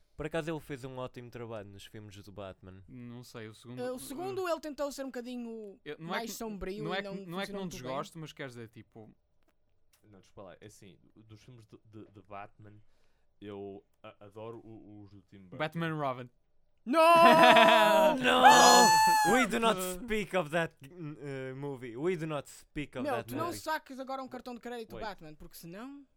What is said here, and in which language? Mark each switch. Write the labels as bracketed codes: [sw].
[pt] Por acaso ele fez um ótimo trabalho nos filmes do Batman. Não sei, o segundo... Ele tentou ser um bocadinho mais sombrio. Não é que não desgosto, mas quer dizer, tipo... Não, desculpa lá. É assim, dos filmes de Batman, eu adoro os do Tim Burton. Batman Robin. [en] No! No! We do not speak of that movie. We do not speak of that movie. [pt] Não saques agora um cartão de crédito do Batman, porque senão...